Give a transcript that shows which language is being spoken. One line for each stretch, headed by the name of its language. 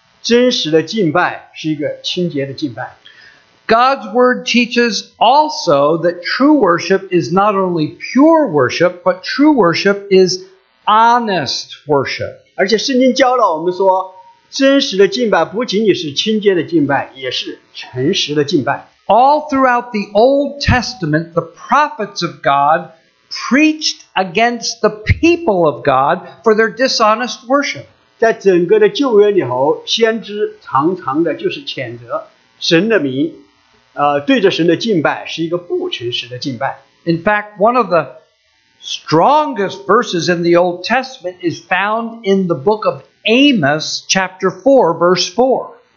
English: God's word teaches also that true worship is not only pure worship, but true worship is honest worship.
Chinese: 而且圣经教导我们说, 真实的敬拜不仅仅是清洁的敬拜, 也是诚实的敬拜。
English: All throughout the Old Testament, the prophets of God preached against the people of God for their dishonest worship.
Chinese: 在整个的旧约里头, 先知常常的就是谴责神的名, 对着神的敬拜是一个不诚实的敬拜。
English: In fact, one of the strongest verses in the Old Testament is found in the book of Amos, chapter 4, verse 4.